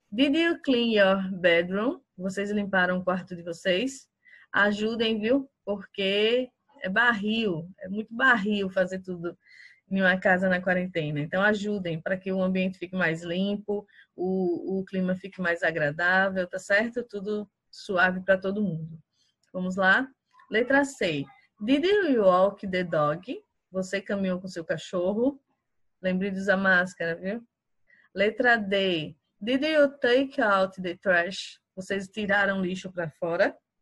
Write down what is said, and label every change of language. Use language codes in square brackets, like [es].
[en] Did you clean your bedroom? [pt] Vocês limparam o quarto de vocês? Ajudem, viu? Porque é barril. É muito barril fazer tudo em uma casa na quarentena. Então, ajudem para que o ambiente fique mais limpo, o clima fique mais agradável, tá certo? Tudo suave para todo mundo. Vamos lá? Letra C. [en] Did you walk the dog? [pt] Você caminhou com seu cachorro? Lembre de usar máscara, viu? Letra D. [en] Did you take out the trash? [pt] Vocês tiraram lixo para fora?